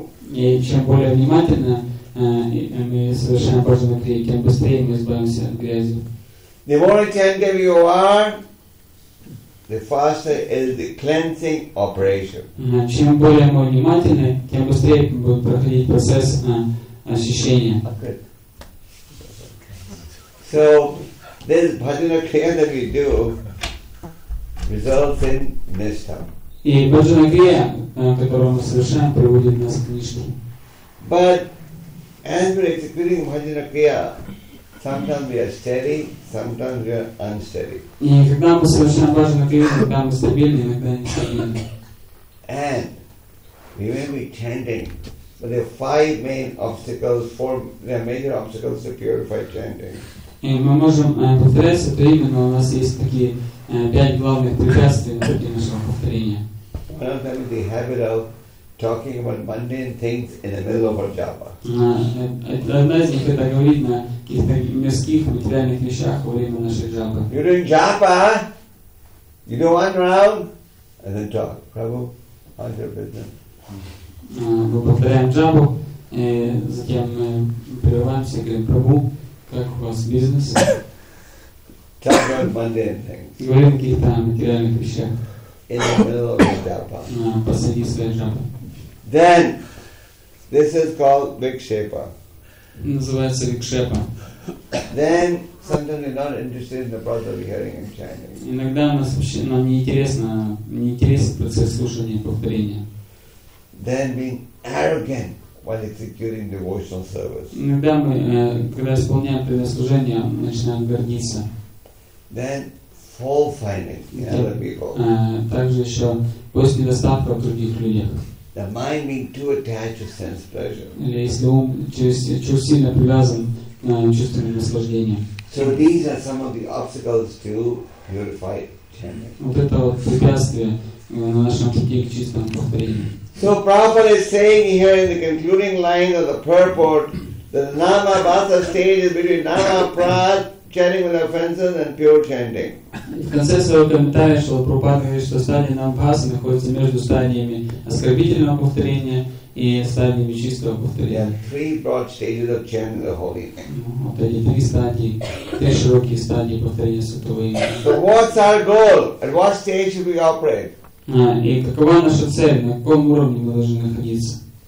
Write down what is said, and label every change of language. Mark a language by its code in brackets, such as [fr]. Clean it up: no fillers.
[ru] и чем более внимательно мы совершаем Bhajana Kriya, тем быстрее мы избавимся от грязи. [en] The more attentive you are, the faster is the cleansing operation. [ru] Чем более мы внимательны, тем быстрее будет проходить процесс очищения. [en] So this Bhajana Kriya that we do results in nishtha. [ru] И Bhajana Kriya, которую мы совершаем, приводит нас к нишке. [en] But as we're executing Bhajana Kriya, sometimes we are steady, sometimes we are unsteady. [ru] И когда мы совершаем Bhajana Kriya, иногда мы стабильны, иногда не стабильны. [en] And we may be chanting, but there are five main obstacles, four, there are major obstacles to purify chanting. [ru] И мы можем повторяться, то именно у нас есть такие пять главных препятствий на пути нашего повторения. [en] One of them is the habit of talking about mundane things in the middle of our japa. [ru] Одна из них — это говорить на каких-то мирских, материальных вещах во время нашей джапы. [en] You're doing japa, you do one round, and then talk. Prabhu, how's your business? [ru] Мы повторяем джапу, затем мы прерываемся и говорим: Прабху, как у вас бизнес? [en] Talk about mundane things. [ru] Говорим о каких-то материальных вещах. [en] In the middle of the japa. [ru] Посреди своей джапы. [en] Then, this is called vikshepa. [ru] Называется vikshepa. [en] Then, sometimes we're not interested in the process of hearing and chanting. [ru] Иногда нас вообще, нам не интересен процесс слушания и повторения. [en] Then being arrogant while executing devotional service. [ru] Иногда мы, когда исполняем предослужение, начинаем гордиться. [en] Then, fault finding in other people. [ru] Также еще поиск недостатка в других людях. [en] The mind being too attached to sense pleasure. [ru] Или если ум чересчур сильно привязан к чувственным наслаждениям. [en] So these are some of the obstacles to purify chanting. [ru] Вот это вот препятствие на нашем пути к чистому повторению. [en] So Prabhupada is saying here in the concluding line of the purport that the Nama Bhasa stage is between Nama Prad, chanting with offenses, and pure chanting. [ru] В конце своего комментария Шрила Прабхупада говорит, что стадия Намбхаса находится между стадиями оскорбительного повторения и стадиями чистого повторения. [en] There are three broad stages of chanting the holy name. [ru] Вот эти три стадии, три широкие стадии повторения святого имени. [en] So what's our goal? At what stage should we operate? [ru] И какова наша цель? На каком уровне мы должны находиться?